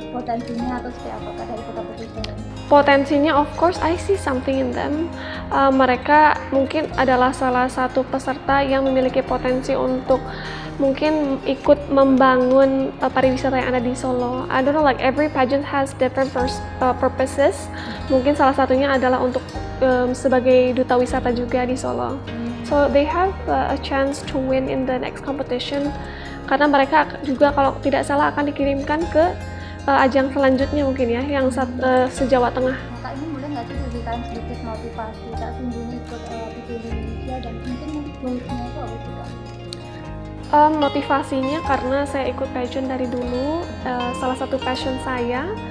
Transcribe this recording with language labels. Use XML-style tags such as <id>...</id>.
<id>Potensinya atau seperti apa Kak dari Putra Putri Solo ini? Potensinya</id> <en>of course I see something in them.</en> <id>Mereka mungkin adalah salah satu peserta yang memiliki potensi untuk mungkin ikut membangun pariwisata yang ada di Solo.</id> <en>I don't know, like every pageant has different purposes.</en> <id>Mungkin salah satunya adalah untuk sebagai duta wisata juga di Solo.</id> <en>So they have a chance to win in the next competition.</en> <id>Karena mereka juga kalau tidak salah akan dikirimkan ke ajang selanjutnya mungkin ya, yang se-Jawa Tengah. Kak, ini boleh nggak sih diberikan sedikit motivasi Kak Cindy ikut Putri Indonesia dan mungkin goalsnya itu apa sih Kak? Motivasinya karena saya ikut passion dari dulu, salah satu passion saya.</id>